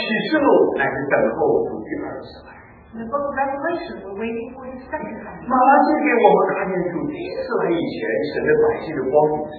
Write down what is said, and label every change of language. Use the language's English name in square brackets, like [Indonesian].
[Chinese] 启示录乃是等候主第二次来。 [English] In the Book of Revelation, we're waiting for His second coming. [Chinese] 马拉基给我们看见主第一次来以前神的百姓的光景。